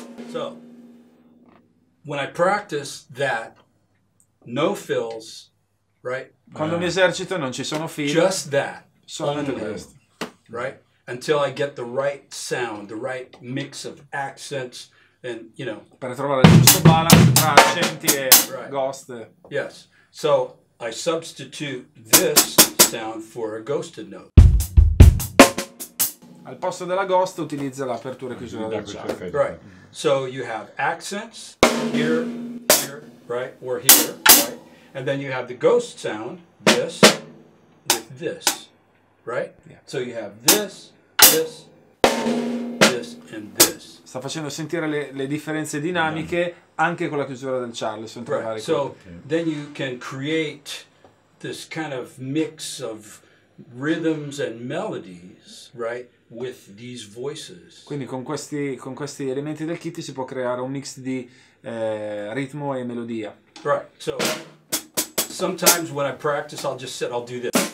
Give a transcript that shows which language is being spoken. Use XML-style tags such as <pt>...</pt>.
<en>So, when I practice that, no fills, right?</en> <it>Quando mi esercito non ci sono fills.</it> <en>Just that.</en> <it>Solamente questo.</it> <en>Right? Until I get the right sound, the right mix of accents, and, you know.</en> <it>Per trovare il giusto balance tra accenti e</it> <en>right. Ghost. Yes. So, I substitute this sound for a ghosted note.</en> <it>Al posto della ghost utilizza l'apertura e chiusura del jack.</it> <en>Right. So you have accents here, here, right, or here, right? And then you have the ghost sound, this, with this, right? Yeah. So you have this, this, this, and this.</en> <it>Sta facendo sentire le differenze dinamiche anche con la chiusura del Charleston.</it> <en>Right. So okay. Then you can create this kind of mix of rhythms and melodies, right? With these voices.</en> <it>Quindi con questi elementi del kit si può creare un mix di ritmo e melodia.</it> <en>Right. So sometimes when I practice I'll just sit, I'll do this.</en>